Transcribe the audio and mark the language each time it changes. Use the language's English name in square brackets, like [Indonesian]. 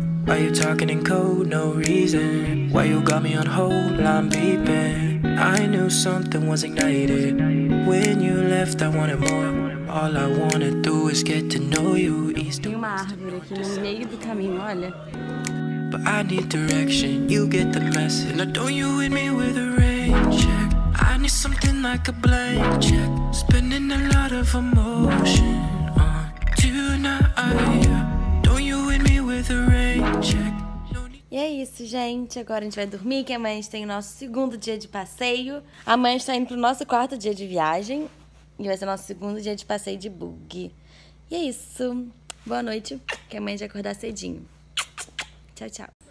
[English] Why you talking in code, no reason? Why you got me on hold, I'm beeping? I knew something was ignited. When you left, I wanted more. All I wanna do is get to know you. [Portuguese] Tem uma árvore aqui no meio do caminho, olha. [English] But I need direction, you get the message. Now don't you hit me with a rain check. I need something like a blank check. Spending a lot of emotion on tonight. [Portuguese] E é isso, gente. Agora a gente vai dormir, que amanhã a gente tem o nosso segundo dia de passeio. Amanhã a gente tá indo pro nosso quarto dia de viagem. E vai ser nosso segundo dia de passeio de bug. E é isso. Boa noite, que amanhã a gente vai acordar cedinho. Tchau, tchau.